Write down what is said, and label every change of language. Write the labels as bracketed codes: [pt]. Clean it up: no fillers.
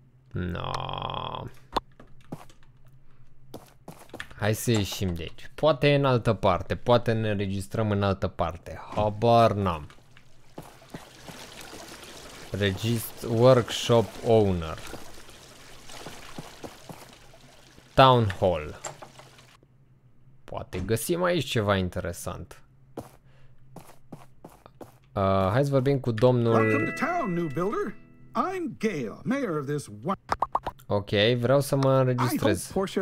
[en] No. [ro] Hai să ieșim de aici. Poate în altă parte, poate ne înregistrăm în altă parte. Habar n-am. [en] Register workshop owner. Town hall. [ro] Poate găsim aici ceva interesant. Hai să vorbim cu domnul. [en] Welcome to town, new builder. I'm Gale, mayor of this one. [ro] Ok, vreau să mă înregistrez.